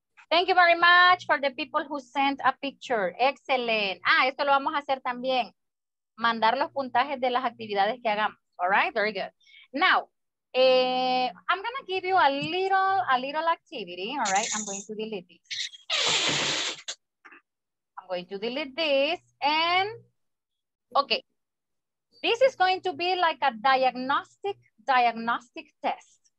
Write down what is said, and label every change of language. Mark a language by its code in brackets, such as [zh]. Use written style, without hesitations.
[en] Thank you very much for the people who sent a picture. Excellent. [es] Ah, esto lo vamos a hacer también. Mandar los puntajes de las actividades que hagamos. [en] All right, very good. Now, I'm going to give you a little activity. All right, I'm going to delete this. And, okay. This is going to be like a diagnostic test.